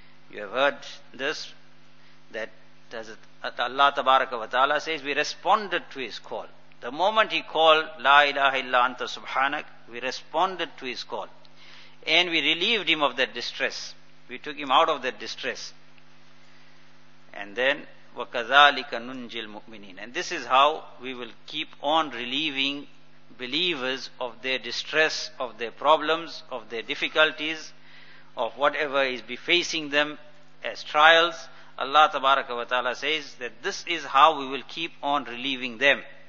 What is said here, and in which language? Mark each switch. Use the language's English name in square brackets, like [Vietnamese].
[English] You have heard this, that Allah tabaraka wa ta'ala says, we responded to his call. The moment he called, La ilaha illa anta subhanak, we responded to his call. And we relieved him of that distress. We took him out of that distress. And then, [Arabic] وَكَذَٰلِكَ نُنْجِ الْمُؤْمِنِينَ. [English] And this is how we will keep on relieving believers of their distress, of their problems, of their difficulties, of whatever is befacing them as trials. Allah tabaraka wa ta'ala says that this is how we will keep on relieving them.